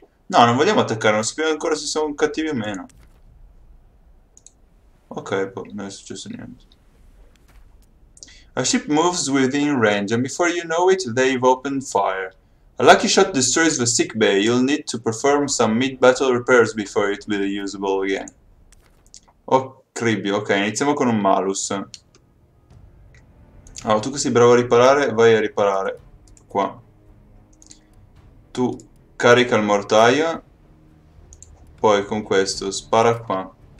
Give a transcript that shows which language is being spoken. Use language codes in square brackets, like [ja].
[it] No, non vogliamo attaccare, non sappiamo ancora se siamo cattivi o meno. Ok, boh, non è successo niente. [en] A ship moves within range, and before you know it, they've opened fire. A lucky shot destroys the sick bay. You'll need to perform some mid-battle repairs before it will be usable again. [it] Oh, cribbio. Ok, iniziamo con un malus. Ah, tu che sei bravo a riparare, vai a riparare qua. Tu carica il mortaio. Poi con questo spara qua.